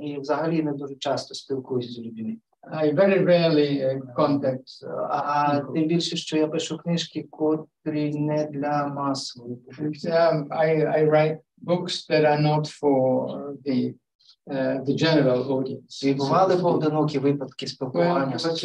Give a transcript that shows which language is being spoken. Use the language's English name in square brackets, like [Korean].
[Ukrainian] І взагалі не дуже часто спілкуюся з людьми. [English] I very rarely contact. [Ukrainian] А тим більше, що я пишу книжки, котрі не для масової. [English] I write books that are not for the general audience. [Ukrainian] І бували поодинокі випадки спілкування.